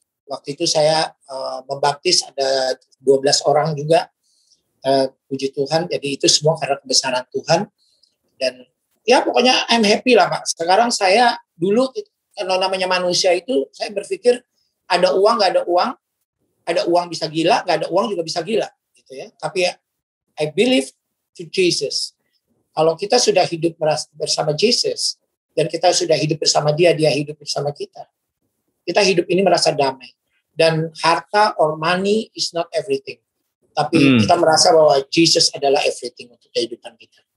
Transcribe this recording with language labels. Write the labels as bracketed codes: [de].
[id] Waktu itu saya membaptis ada 12 orang juga, puji Tuhan, jadi itu semua karena kebesaran Tuhan. Dan ya pokoknya [en] I'm happy [id] lah Pak. Sekarang saya dulu, kalau namanya manusia itu, saya berpikir ada uang, gak ada uang. Ada uang bisa gila, gak ada uang juga bisa gila. Gitu ya. Tapi ya, [en] I believe to Jesus. [id] Kalau kita sudah hidup bersama Jesus, dan kita sudah hidup bersama dia, dia hidup bersama kita. Kita hidup ini merasa damai. Dan harta [en] or money is not everything. [id] Tapi kita merasa bahwa Jesus adalah everything untuk kehidupan kita.